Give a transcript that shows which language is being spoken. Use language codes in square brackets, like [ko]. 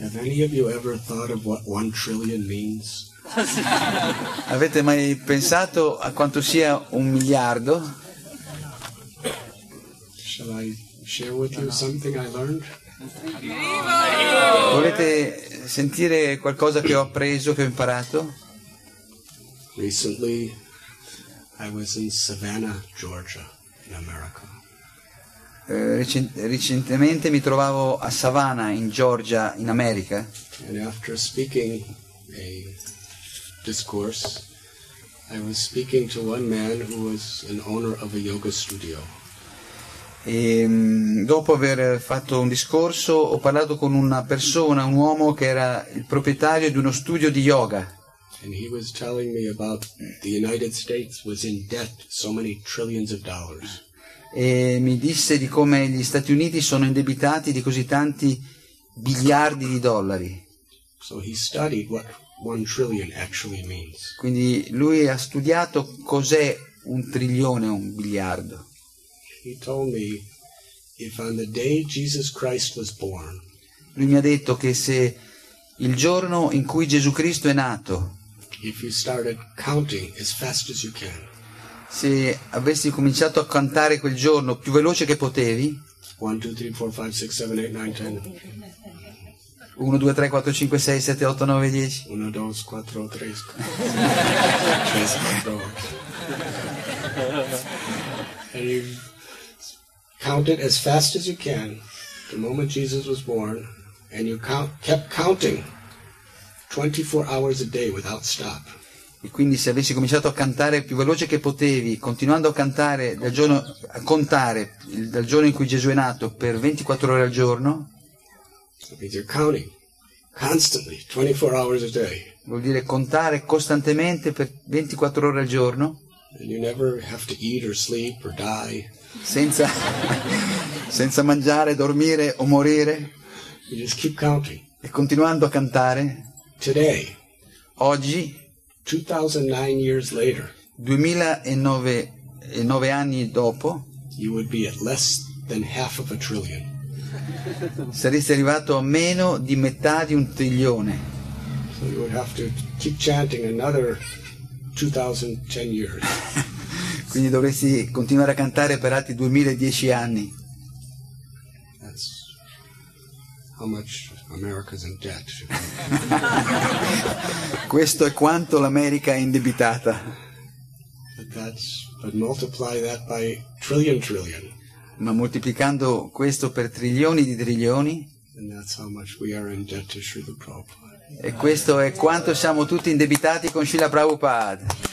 [en] Have any of you ever thought of what 1 trillion means? [it] Avete mai pensato a quanto sia un miliardo? [en] Shall I share with you something I learned? [it] Volete sentire qualcosa che ho appreso, che ho imparato? [en] Recently I was in Savannah, Georgia, in America. [it] Recentemente mi trovavo a Savannah, in Georgia, in America. [en] And after speaking a discourse, I was speaking to one man who was an owner of a yoga studio. [it] E dopo aver fatto un discorso ho parlato con una persona, un uomo che era il proprietario di uno studio di yoga. [en] And he was telling me about the United States was in debt so many trillions of dollars. [it] E mi disse di come gli Stati Uniti sono indebitati di così tanti biliardi di dollari. [en] So he studied what 1 trillion actually means. [it] Quindi lui ha studiato cos'è un trilione, un biliardo. [en] He told me if on the day Jesus Christ was born. [it] Lui mi ha detto che se il giorno in cui Gesù Cristo è nato. [en] If you started counting as fast as you can. [it] Se avessi cominciato a contare quel giorno più veloce che potevi. [en] 1 2 3 4 5 6 7 8 9 10. [it] 1 2 3 4 5 6 7 8 9 10. [en] 1 2 4 3 4 5 6 7 8. Count it as fast as you can, the moment Jesus was born, and you kept counting 24 hours a day without stop. [it] E quindi se avessi cominciato a cantare più veloce che potevi, continuando a cantare dal giorno, a contare dal giorno in cui Gesù è nato per 24 ore al giorno. [en] So means you're counting constantly, 24 hours a day. [it] Vuol dire contare costantemente per 24 ore al giorno. [en] And you never have to eat or sleep or die. [it] Senza mangiare, dormire o morire. [en] You just keep counting. [it] E continuando a cantare. [en] Today. [it] Oggi. [en] 2009 years later. [it] 2009 anni dopo. [en] You would be at less than half of a trillion. [it] Saresti arrivato a meno di metà di un trilione. [en] So you would have to keep chanting another 2010 years. [it] Quindi dovresti continuare a cantare per altri 2010 anni. [en] That's how much America's in debt. [it] Questo è quanto l'America è indebitata. [en] But multiply that by trillion. [it] Ma moltiplicando questo per trilioni di trilioni. [en] And that's how much we are in debt to Srila Prabhupada. [it] E questo è quanto siamo tutti indebitati con Srila Prabhupada.